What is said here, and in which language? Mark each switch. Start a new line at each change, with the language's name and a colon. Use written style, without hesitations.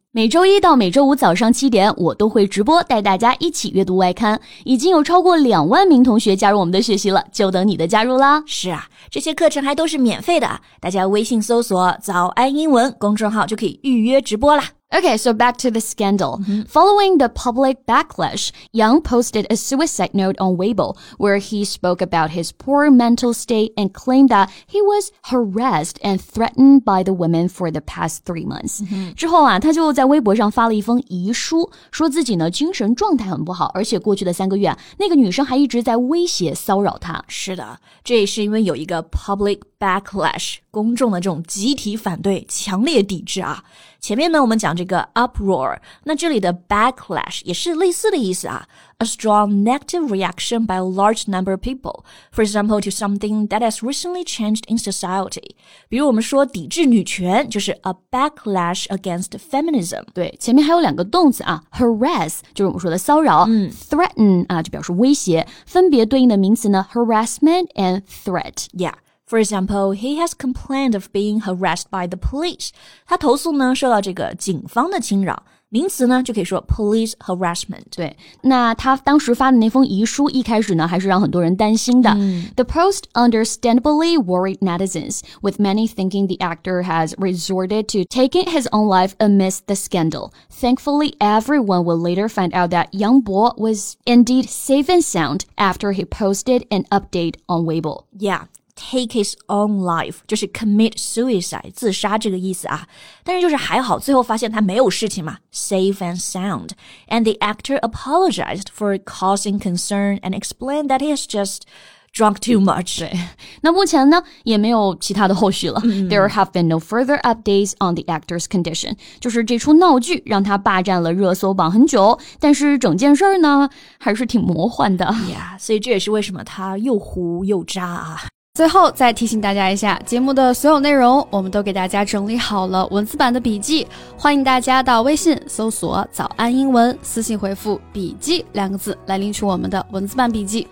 Chinese: 每周一到每周五早上七点，我都会直播带大家一起阅读外刊，已经有超过20000名同学加入我们的学习了，就等你的加入啦。是啊，这些课程还都是免费的，大家微信搜索早安英文公众号就可以预约直播啦。
English: Okay, so back to the scandal. Following the public backlash, Yang posted a suicide note on Weibo where he spoke about his poor mental state and claimed that he was harassed and threatened by the women for the past 3 months.
Chinese: 之后啊，他就在微博上发了一封遗书，说自己呢精神状态很不好，而且过去的3个月啊，那个女生还一直在威胁骚扰他。是的，这也是因为有一个 public backlash, 公众的这种集体反对，强烈抵制啊。前面呢我们讲这个 uproar, 那这里的 backlash 也是类似的意思啊。
English: A strong negative reaction by a large number of people, for example, to something that has recently changed in society.
Chinese: 比如我们说抵制女权就是
English: a backlash against feminism.
Chinese: 对，前面还有两个动词啊， harass, 就是我们说的骚扰，threaten, 啊，就表示威胁，分别对应的名词呢
English: harassment and threat. Yeah. For example, he has complained of being harassed by the police.
Chinese: 他投诉呢受到这个警方的侵扰。名词呢就可以说
English: police harassment.
Chinese: 对，那他当时发的那封遗书一开始呢还是让很多人担心的。
English: The post understandably worried netizens, with many thinking the actor has resorted to taking his own life amidst the scandal. Thankfully, everyone will later find out that Yang Bo was indeed safe and sound after he posted an update on Weibo. Yeah. Take his own life,
Chinese: 就是
English: commit suicide,
Chinese: 自杀这个意思啊。但是就是还好最后发现他没有事情嘛
English: safe and sound. And the actor apologized for causing concern and explained that he has just drunk too much.
Chinese: 对，那目前呢也没有其他的后续了。
English: There have been no further updates on the actor's condition.
Chinese: 就是这出闹剧让他霸占了热搜榜很久，但是整件事呢还是挺魔幻的。 Yeah, 所以这也是为什么他又糊又渣啊。最后再提醒大家一下，节目的所有内容我们都给大家整理好了文字版的笔记，欢迎大家到微信搜索早安英文，私信回复笔记两个字来领取我们的文字版笔记。